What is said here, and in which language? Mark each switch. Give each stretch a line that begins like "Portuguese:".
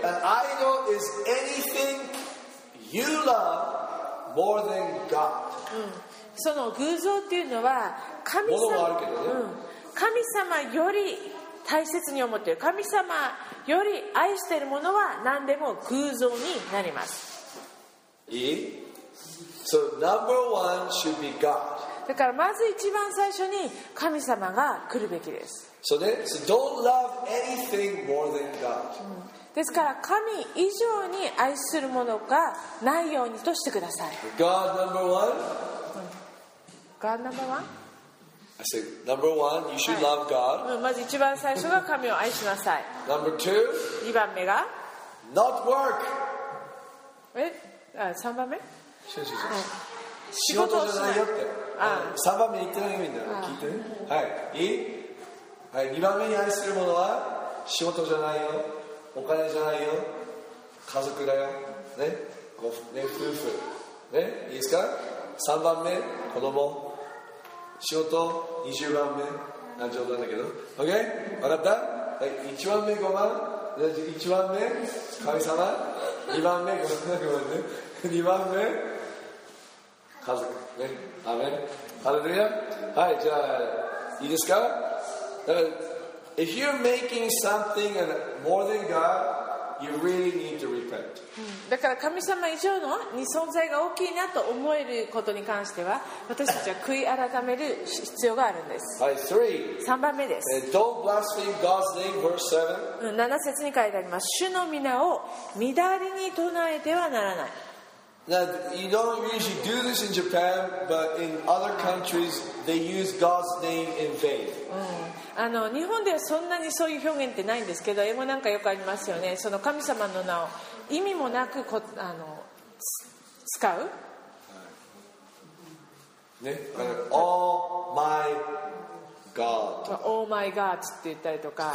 English: An idol is anything you love more than God.
Japanese: その偶像っていうのは神様、物もあるけどね。神様より大切に思っている、神様より愛しているものは何でも偶像になります。いい？
English: So number one should be God.
Japanese: だからまず一番最初に神様が来るべきです。
English: So then, so don't love anything more than God.
Japanese: ですから神以上に愛するものがないようにとしてください。
English: God number one. God number one. I said number one, you should love God.、
Japanese: はい、まず一番最初が神を愛しなさい。
English: Number two.
Japanese: 二番目が
English: not work.
Japanese: え、あ、三番目？そうそうそう。仕事じゃないよって。ああ3番目言ってない意味だよ。聞いて、はい、いい、はい、2番目に愛するものは仕事じゃないよ、お金じゃないよ、家族だよ、ね、ご、ね、夫婦、ね、いいですか。 3番目子供、仕事20番目何時だったけど OK 分かった、はい、1番目5番1番目神様2番目ごめんごめんね2番目家族ね、アメン、ハレルヤ。はい、じゃあいいですか。だから
English: If you're making something more than God, you really need to repent.
Japanese: だから神様以上のに存在が大きいなと思えることに関しては、私たちは悔い改める必要があるんです。 3番目です。
English: Don't blaspheme God's name, verse
Japanese: 7. 7節に書いてあります。主の皆を乱れに唱えてはならない。
English: Now, you don't usually do this in Japan, but in other countries, they use God's name in vain.
Japanese: 日本ではそんなにそういう表現ってないんですけど、英語なんかよくありますよね。その神様の名を意味もなく使う。
English: ね、All my God. All my God
Japanese: って言ったりとか。